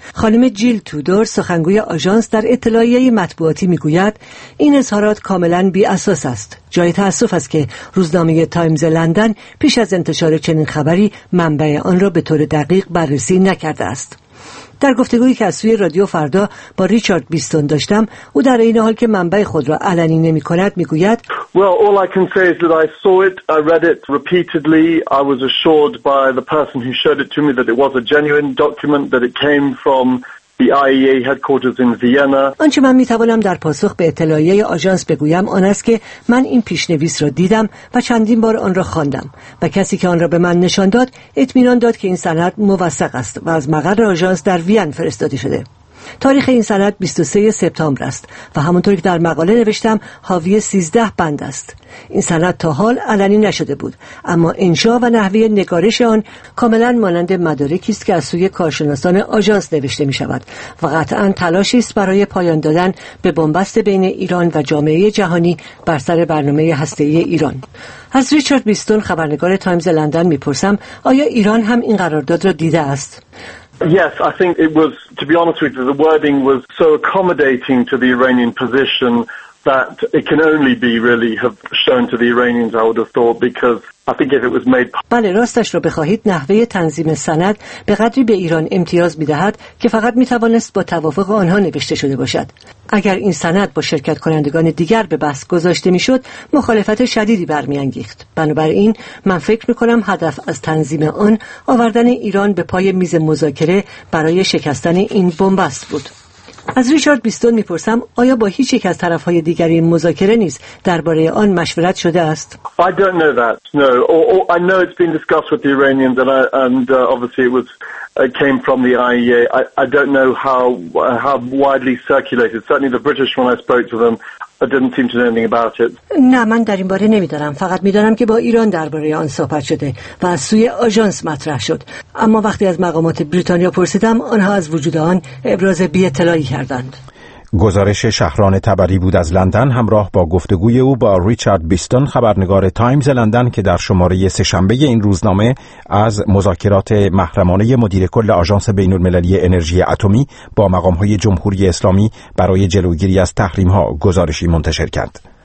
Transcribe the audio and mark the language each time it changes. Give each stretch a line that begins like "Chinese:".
Persian: خانم جیل تودور سخنگوی آژانس در اطلاعیه مطبوعاتی میگوید این اظهارات کاملا بی اساس است. جای تأسف است که روزنامه تایمز لندن پیش از انتشار چنین خبری منبع آن را به طور دقیق بررسی نکرده است. در گفتگویی که از سوی رادیو فردا با ریچارد بیستون داشتم، او در این حال که منبع خود را علنی نمی کند می گوید
English: Well, all I can say is that I saw it, I read it repeatedly, I was assured by the person who showed it to me that it was a genuine document, that it came from the IAEA headquarters in Vienna.
Persian: آنچه من می توانم در پاسخ به اطلاعیه آژانس بگویم آن است که من این پیشنویس را دیدم و چندین بار آن را خواندم و کسی که آن را به من نشان داد اطمینان داد که این سند موثق است و از مقر آژانس در وین فرستاده شده. تاریخ این سند 23 سپتامبر است و همونطوری که در مقاله نوشتم حاوی 13 بند است. این سند تا حال علنی نشده بود، اما انشا و نحوه نگارش آن کاملا مانند مدارکی است که از سوی کارشناسان آژانس نوشته می شود و قطعا تلاشی است برای پایان دادن به بنبست بین ایران و جامعه جهانی بر سر برنامه هسته‌ای ایران. از ریچارد بیستون خبرنگار تایمز لندن می پرسم آیا ایران هم این قرارداد را دیده است؟
English: Yes, I think it was, to be honest with you, the wording was so accommodating to the Iranian position that it can only be really have shown to the Iranians, I would have thought, because I think if it was made...
Persian: بله، راستش رو بخواهید نحوه تنظیم سند به قدری به ایران امتیاز می‌دهد که فقط می‌توانست با توافق آنها نوشته شده باشد. اگر این سند با شرکت کنندگان دیگر به بحث گذاشته می‌شد، مخالفت شدیدی برمی‌انگیخت. بنابراین من فکر می‌کنم هدف از تنظیم آن آوردن ایران به پای میز مذاکره برای شکستن این بن‌بست بود. از ریچارد بیستون می‌پرسم آیا با هیچ یک از طرف‌های دیگر این مذاکره نیست درباره آن مشورت شده است؟
English: I don't know that. No. I know it's been discussed with the Iranians and obviously it came from the IAEA. I don't know how widely circulated. Certainly the British when I spoke to them I didn't seem to know anything about it.
Persian: نه، من در این باره نمی‌دانم. فقط می‌دانم که با ایران درباره آن صحبت شده و از سوی آژانس مطرح شد. اما وقتی از مقامات بریتانیا پرسیدم، آنها از وجود آن ابراز بی‌اطلاعی کردند. گزارش شهران تبری بود از لندن، همراه با گفتگوی او با ریچارد بیستون خبرنگار تایمز لندن که در شماره سه‌شنبه این روزنامه از مذاکرات محرمانه مدیر کل آژانس بین‌المللی انرژی اتمی با مقام‌های جمهوری اسلامی برای جلوگیری از تحریم‌ها گزارشی منتشر کرد.